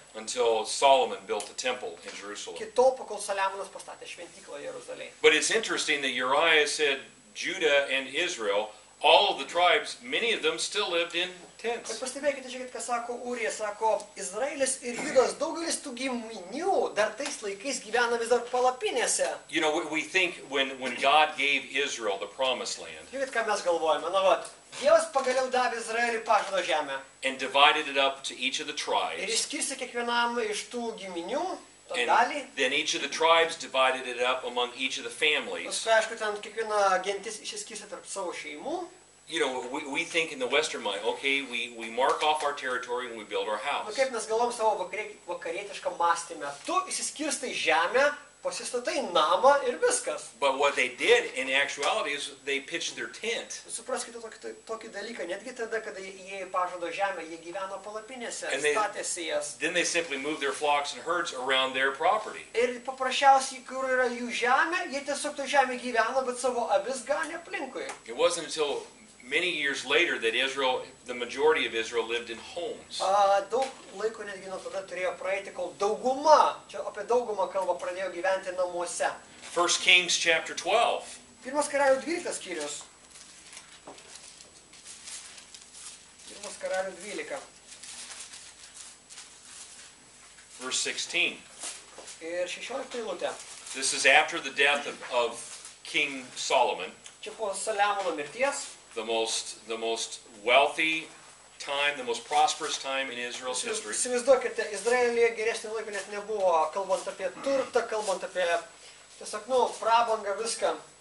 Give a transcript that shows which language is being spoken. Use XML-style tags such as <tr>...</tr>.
<en>Until Solomon built the temple in Jerusalem.</en> <lt>Kitol, kol Saliamonas pastatė šventyklą Jeruzalėje.</lt> <en>But it's interesting that Uriah said Judah and Israel, all of the tribes, many of them still lived in tents.</en> <lt>Bet pastebėkite, žiūrėkit, ką sako Urija, sako, Izraelis ir Judas, daugelis tų giminių dar tais laikais gyvena vis dar palapinėse.</lt> <en>You know, we think when God gave Israel the promised land.</en> <lt>Žiūrėkit, ką mes galvojame, na vat, Dievas pagaliau davė Izraelį pažado žemę.</lt> <en>And divided it up to each of the tribes.</en> <lt>Ir išskirstė kiekvienam iš tų giminių.</lt> <en>And then each of the tribes divided it up among each of the families.</en> <lt>Aišku, ten kiekviena gentis išsiskirstė tarp savo šeimų.</lt> <en>You know, we think in the Western mind, okay, we mark off our territory and we build our house.</en> <lt>Kaip mes galvom savo vakarietišką mąstymą. Tu išsiskirstai žemę, Pasistatai namą ir viskas.</lt> <en>But what they did in actuality is they pitched their tent.</en> <lt>Supraskite tokį dalyką, netgi tada, kada jie pažado žemę, jie gyveno palapinėse, statėsi jas.</lt> <en>Then they simply moved their flocks and herds around their property.</en> <lt>Ir paprasčiausiai, kur yra jų žemė, jie tiesiog to žemė gyveno, bet savo avis ganė aplinkui.</lt> <en>It wasn't until many years later that Israel, the majority of Israel, lived in homes.</en> <lt>Daug laiko netgi nuo tada turėjo praeiti, kol dauguma, čia apie daugumą kalbą, pradėjo gyventi namuose.</lt> <en>1 Kings chapter 12.</en> <lt>Pirmas karalių 12 skyrius. Pirmas karalių 12.</lt> <en>Verse 16.</en> <lt>Ir 16 eilutė.</lt> <en>This is after the death of King Solomon.</en> <lt>Čia po Saliamono mirties.</lt> <en>The most wealthy time, the most prosperous time in Israel's history.</en> <lt>Įsivaizduokite, Izraelyje geresnį laiką net nebuvo, kalbant apie turtą, kalbant apie, tiesiog, nu, prabangą, viską.</lt>